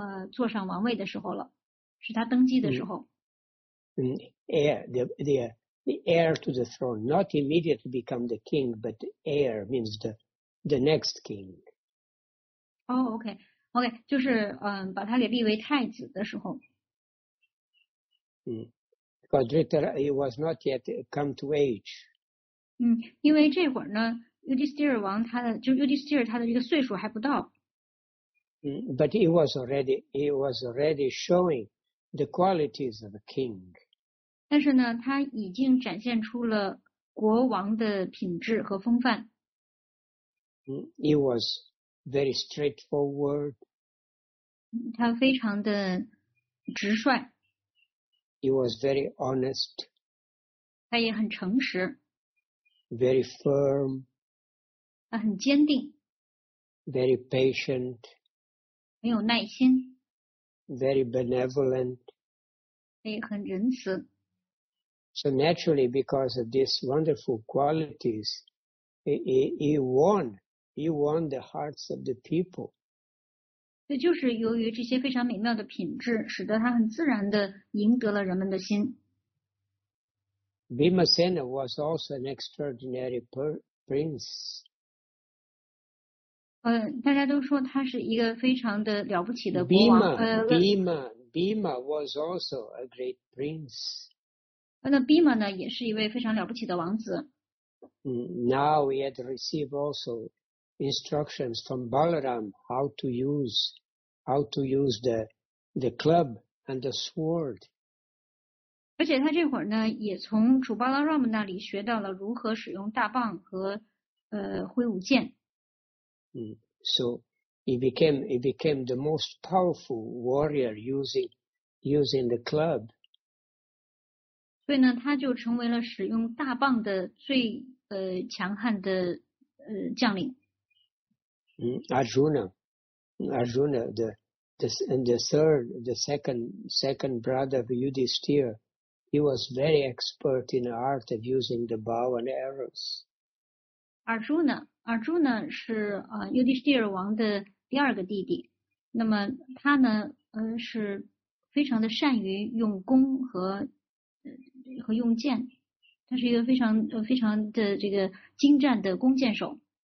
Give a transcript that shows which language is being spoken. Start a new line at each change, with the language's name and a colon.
Chinese: 坐上王位的时候了，是他登基的时候。
English: Heir to the throne, not immediately become the king, but heir means the next king.
Chinese: Okay, 就是把他给立为太子的时候。
English: Because Dhritarashtra was not yet come to age.
Chinese: 因为这会儿呢 ，Yudhishthir 王他的就 Yudhishthir 他的这个岁数还不到。
English: But he was already showing the qualities of a king.
Chinese: 但是呢，他已经展现出了国王的品质和风范。
English: He was very straightforward.
Chinese: 他非常的直率。
English: He was very honest.
Chinese: 他也很诚实。
English: Very firm.
Chinese: 他很坚定。
English: Very patient.
Chinese: 很有耐心
English: ，very benevolent，
Chinese: 也很仁慈。
English: So naturally, because of these wonderful qualities, he won the hearts of the people.
Chinese: 这就是由于这些非常美妙的品质，使得他很自然的赢得了人们的心。
English: Bhimasena was also an extraordinary prince.
Chinese: 大家都说他是一个非常的了不起的国王。
English: Bhima was also a great prince.
Chinese: 那 Bhima 呢，也是一位非常了不起的王子。
English: Now he had received also instructions from Balaram how to use the club and the sword.
Chinese: 而且他这会儿呢，也从主巴拉让那里学到了如何使用大棒和挥舞剑。
English: So he became the most powerful warrior using the club.
Chinese: 所以呢，他就成为了使用大棒的最强悍的将领。
English: Arjuna, the second brother of Yudhisthira, he was very expert in the art of using the bow and arrows.
Chinese: Arjuna 是Yudhisthira 王的第二个弟弟，那么他呢是非常的善于用弓和用剑，他是一个非常的这个精湛的弓箭手。